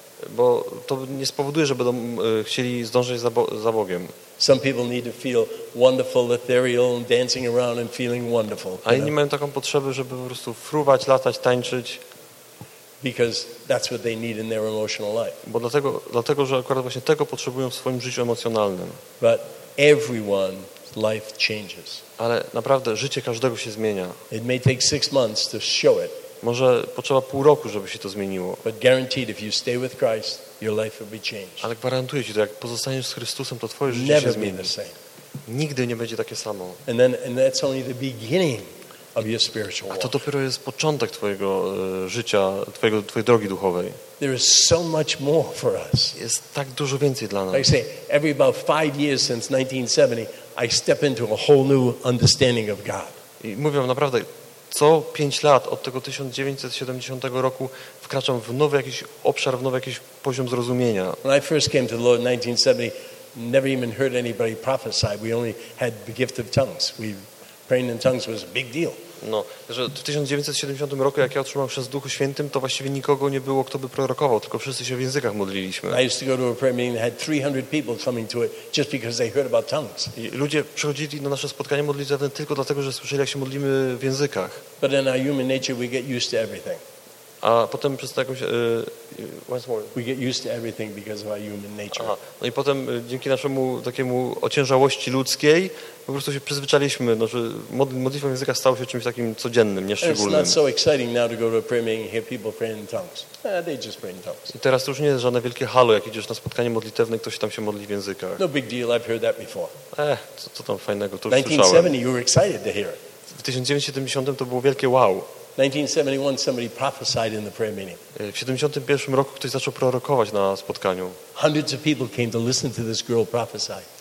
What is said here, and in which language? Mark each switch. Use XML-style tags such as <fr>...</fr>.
<pl>Bo to nie spowoduje, że będą chcieli zdążyć za Bogiem.</pl> <en>Some people need to feel wonderful, ethereal, dancing around and feeling wonderful.</en> <pl>A inni mają taką potrzebę, żeby po prostu fruwać, latać, tańczyć.</pl> <en>Because that's what they need in their emotional life.</en> <pl>Bo dlatego, że akurat właśnie tego potrzebują w swoim życiu emocjonalnym.</pl> <en>But everyone's life changes.</en> <pl>Ale naprawdę życie każdego się zmienia.</pl> <en>It may take 6 months to show it.</en> <pl>Może potrzeba pół roku, żeby się to zmieniło.</pl> <en>But guaranteed, if you stay with Christ, your life will be changed.</en> <pl>Ale gwarantuję ci to, jak pozostaniesz z Chrystusem, to twoje życie</pl> <en>never</en> <pl>się zmieni.</pl> <en>The same.</en> <pl>Nigdy nie będzie takie samo.</pl> <en>And that's only the beginning of your spiritual walk.</en> <pl>A to dopiero jest początek twojego życia, twojej drogi duchowej.</pl> <en>There is so much more for us.</en> <pl>Jest tak dużo więcej dla nas.</pl> <en>Like I say, every about 5 years since 1970, I step into a whole new understanding of God.</en> <pl>I mówię naprawdę. Co 5 lat od tego 1970 roku wkraczam w nowy jakiś obszar, w nowy jakiś poziom zrozumienia.</pl> <en>When I first came to the Lord in 1970, never even heard anybody prophesy. We only had the gift of tongues. Praying in tongues was a big deal.</en> <pl>No, że w 1970 roku, jak ja otrzymałem chrzest w Duchu Świętym, to właściwie nikogo nie było, kto by prorokował, tylko wszyscy się w językach modliliśmy.</pl> <en>I used to go to a prayer meeting and had 300 people coming to it just because they heard about tongues.</en> <pl>I ludzie przychodzili na nasze spotkanie modlitewne tylko dlatego, że słyszeli, jak się modlimy w językach.</pl> <en>But in our human nature, we get used to everything.</en> <pl>A potem przez to jakąś...</pl> <en>Once more. We get used to everything because of our human nature.</en> <pl>Aha. No i potem dzięki naszemu takiemu ociężałości ludzkiej po prostu się przyzwyczaliśmy, że modlitwa języka stała się czymś takim codziennym, nieszczególnym.</pl> <en>It's not so exciting now to go to a prayer meeting and hear people pray in tongues. They just pray in tongues.</en> <pl>I teraz to już nie jest żadne wielkie halo, jak idziesz na spotkanie modlitewne, ktoś tam się modli w językach.</pl> <en>No big deal, I've heard that before.</en> <pl>Co tam fajnego, to już</pl> <en>1970,</en> <pl>słyszałem.</pl> <en>You were excited to hear it.</en> <pl>W 1970 to było wielkie wow.</pl> <en>1971 somebody prophesied in the prayer meeting.</en> <pl>W 71 roku ktoś zaczął prorokować na spotkaniu.</pl> <en>Hundreds of people came to listen to this girl prophesy.</en>